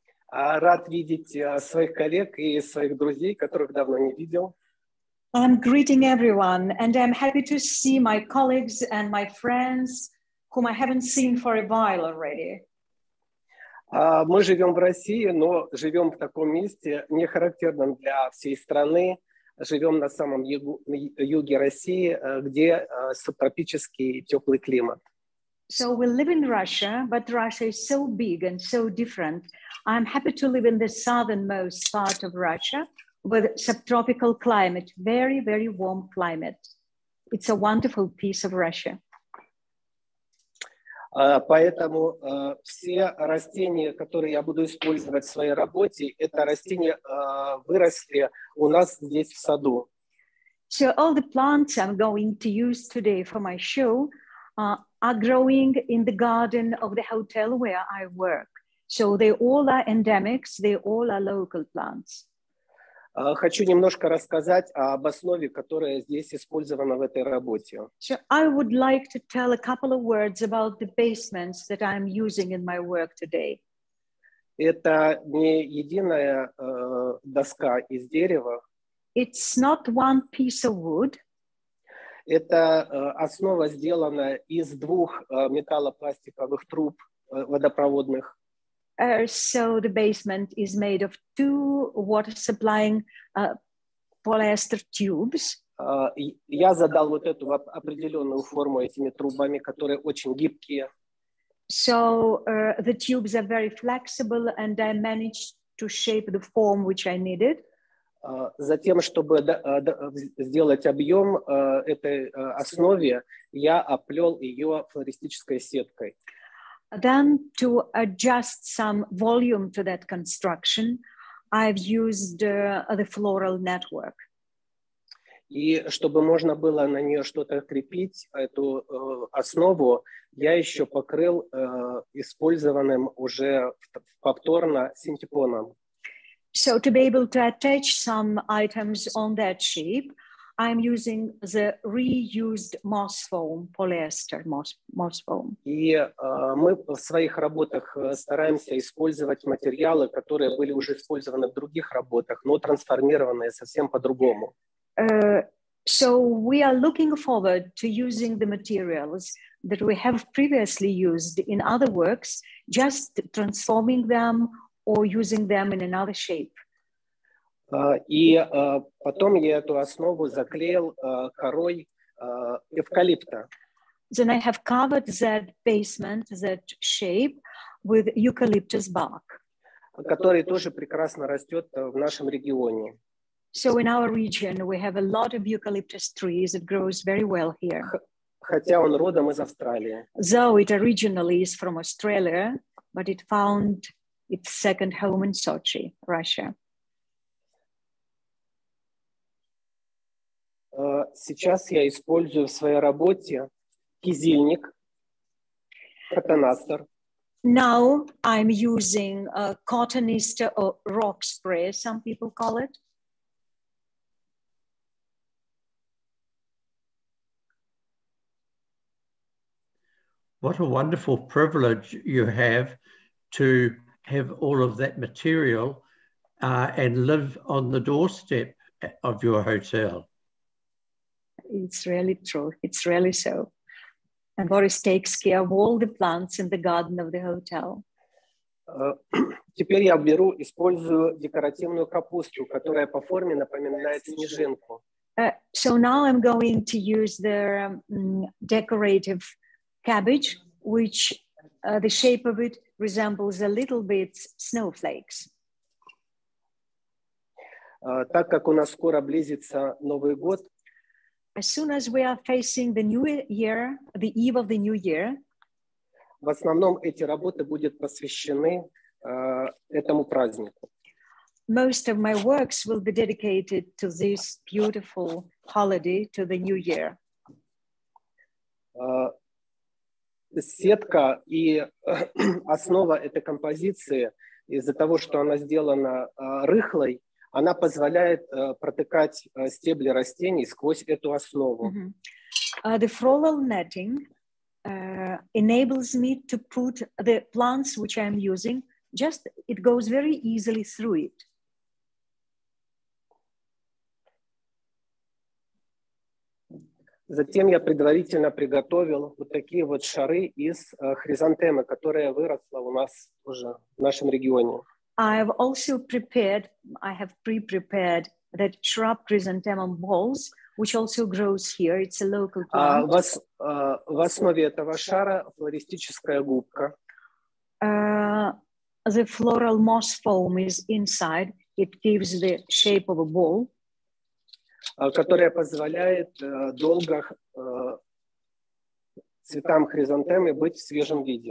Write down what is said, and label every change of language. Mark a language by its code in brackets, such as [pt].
[ru] Рад видеть своих коллег и своих друзей, которых давно не видел. [en] I'm greeting everyone, and I'm happy to see my colleagues and my friends, whom I haven't seen for a while already. [ru] Мы живем в России, но живем в таком месте, не характерном для всей страны. Живем на самом юге России, где субтропический теплый климат. [en] So we live in Russia, but Russia is so big and so different. I'm happy to live in the southernmost part of Russia, with subtropical climate, very, very warm climate. It's a wonderful piece of Russia. [ru] Поэтому все растения, которые я буду использовать в своей работе, это растения выросли у нас здесь в саду. [en] So all the plants I'm going to use today for my show are growing in the garden of the hotel where I work. So they all are endemics, they all are local plants. [ru] Хочу немножко рассказать об основе, которая здесь использована в этой работе. [en] So I would like to tell a couple of words about the basements that I'm using in my work today. [ru] Это не единая доска из дерева. [en] It's not one piece of wood. [ru] Это основа сделана из двух металлопластиковых труб водопроводных. [en] So the basement is made of two water supplying polyester tubes. [ru] Я задал вот эту определенную форму этими трубами, которые очень гибкие. [en] So the tubes are very flexible, and I managed to shape the form which I needed. [ru] За тем, чтобы сделать объем этой основе, я оплел ее флористической сеткой. [en] Then to adjust some volume to that construction, I've used the floral network. [ru] И чтобы можно было на нее что-то крепить, эту основу, я еще покрыл использованным уже повторно синтепоном. [en] So to be able to attach some items on that shape, I'm using the reused moss foam, polyester moss foam. [ru] И мы в своих работах стараемся использовать материалы, которые были уже использованы в других работах, но трансформированные совсем по-другому. [en] So we are looking forward to using the materials that we have previously used in other works, just transforming them or using them in another shape. [ru] Потом я эту основу заклеил корой эвкалипта. [en] Then I have covered that basement, that shape, with eucalyptus bark. [ru] Который тоже прекрасно растет в нашем регионе. [en] So in our region we have a lot of eucalyptus trees. It grows very well here. [ru] Хотя он родом из Австралии. [en] Though it originally is from Australia, but it found its second home in Sochi, Russia. [ru] Сейчас я использую в своей работе кизильник, протонастер. [en] Now I'm using a cottonista or rock spray, some people call it. What a wonderful privilege you have to have all of that material and live on the doorstep of your hotel. It's really true. It's really so. And Boris takes care of all the plants in the garden of the hotel. [ru] Теперь я беру, использую декоративную капусту, которая по форме напоминает снежинку. [en] So now I'm going to use the decorative cabbage, which the shape of it resembles a little bit snowflakes. [ru] Так как у нас скоро близится Новый год, [en] as soon as we are facing the new year, the eve of the new year, [ru] в основном эти работы будут посвящены этому празднику. [en] Most of my works will be dedicated to this beautiful holiday, to the new year. [ru] Сетка и основа этой композиции, из-за того, что она сделана рыхлой, она позволяет протыкать стебли растений сквозь эту основу. Mm-hmm. [en] The floral netting enables me to put the plants which I'm using, just it goes very easily through it. [ru] Затем я предварительно приготовил вот такие вот шары из хризантемы, которая выросла у нас уже в нашем регионе. [en] I've also prepared, I have pre-prepared that shrub chrysanthemum balls, which also grows here. It's a local plant. [ru] В основе этого шара флористическая губка. [en] The floral moss foam is inside. It gives the shape of a ball. [ru] Которая позволяет долго цветам хризантемы быть в свежем виде.